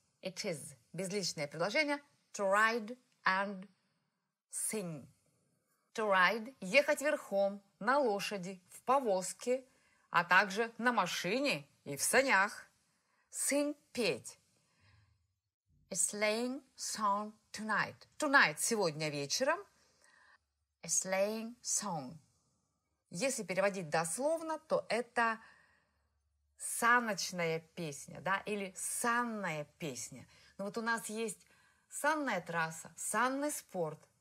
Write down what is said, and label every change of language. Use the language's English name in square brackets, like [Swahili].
[English] It is [Russian] безличное предложение [English] to ride and sing. To ride [Russian] – ехать верхом, на лошади, в повозке, а также на машине и в санях. Sing – петь. [English] A sleighing song tonight. Tonight [Russian] – сегодня вечером. [English] A sleighing song. [Russian] Если переводить дословно, то это саночная песня, да, или санная песня. Ну вот у нас есть санная трасса, санный спорт.